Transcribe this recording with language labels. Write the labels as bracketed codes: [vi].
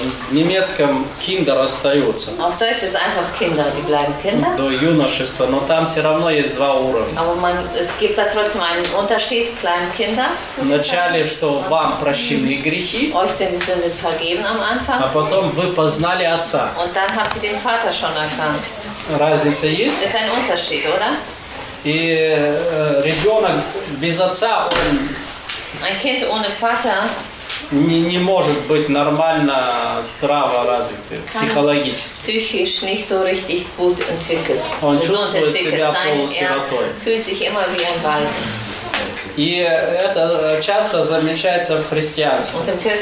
[ru] В немецком Kinder остаются. [de] Auf Deutsch ist einfach Kinder, die bleiben Kinder. [ru] До юношества, но там все равно есть два уровня. [de] Aber man, es gibt da trotzdem einen Unterschied, kleine Kinder. [ru] Вначале, что вам прощены грехи. [de] Euch sind die Sünden vergeben am Anfang. [ru] А потом вы познали отца. [de] Und dann habt ihr den Vater schon erkannt. [ru] Разница есть? [de] Ist ein Unterschied, oder? [ru] И ребенок без отца, он... [de] Ein Kind ohne Vater... [ru] Не может быть нормально здраво развитый, психологически. [de] Psychisch nicht so richtig gut entwickelt. [ru] Он чувствует себя полусиротой. [de] Fühlt sich immer wie ein Waisen. [ru] И это часто замечается в христианстве.